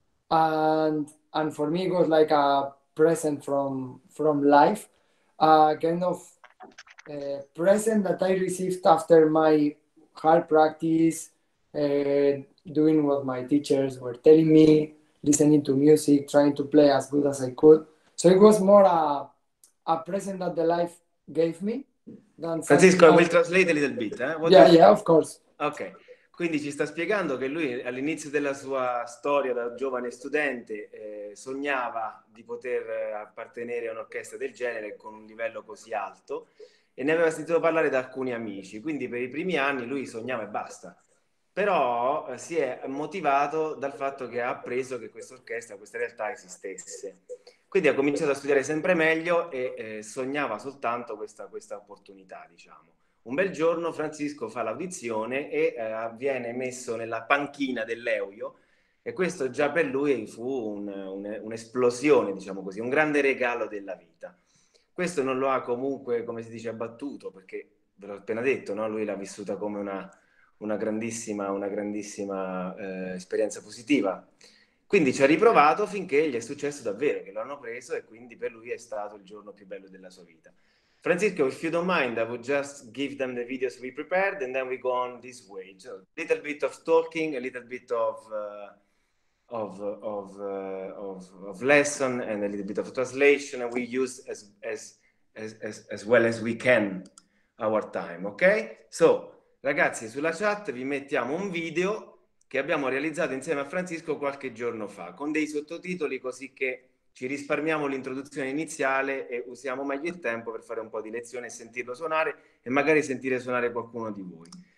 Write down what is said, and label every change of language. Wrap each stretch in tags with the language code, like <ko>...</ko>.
<en>And for me, it was like a present from life, a kind of present that I received after my hard practice, doing what my teachers were telling me, listening to music, trying to play as good as I could. So it was more a present that the life gave me. Than Francisco, I will translate a little bit. Eh? Yeah, of course.</en> <it>Okay, quindi ci sta spiegando che lui all'inizio della sua storia da giovane studente sognava di poter appartenere a un'orchestra del genere con un livello così alto e ne aveva sentito parlare da alcuni amici. Quindi per i primi anni lui sognava e basta. Però si è motivato dal fatto che ha appreso che questa orchestra, questa realtà esistesse. Quindi ha cominciato a studiare sempre meglio e sognava soltanto questa opportunità, diciamo. Un bel giorno Francisco fa l'audizione e viene messo nella panchina dell'EUIO e questo già per lui fu un'esplosione, diciamo così, un grande regalo della vita. Questo non lo ha comunque, come si dice, abbattuto, perché ve l'ho appena detto, no? Lui l'ha vissuta come una grandissima esperienza positiva. Quindi ci ha riprovato finché gli è successo davvero, che lo hanno preso e quindi per lui è stato il giorno più bello della sua vita.</it> <en>Francisco, if you don't mind, I would just give them the videos we prepared and then we go on this way. So, a little bit of talking, a little bit of lesson and a little bit of translation and we use as well as we can our time, okay?</en> <it>So, ragazzi, sulla chat vi mettiamo un video che abbiamo realizzato insieme a Francisco qualche giorno fa, con dei sottotitoli così che ci risparmiamo l'introduzione iniziale e usiamo meglio il tempo per fare un po' di lezione e sentirlo suonare e magari sentire suonare qualcuno di voi.</it>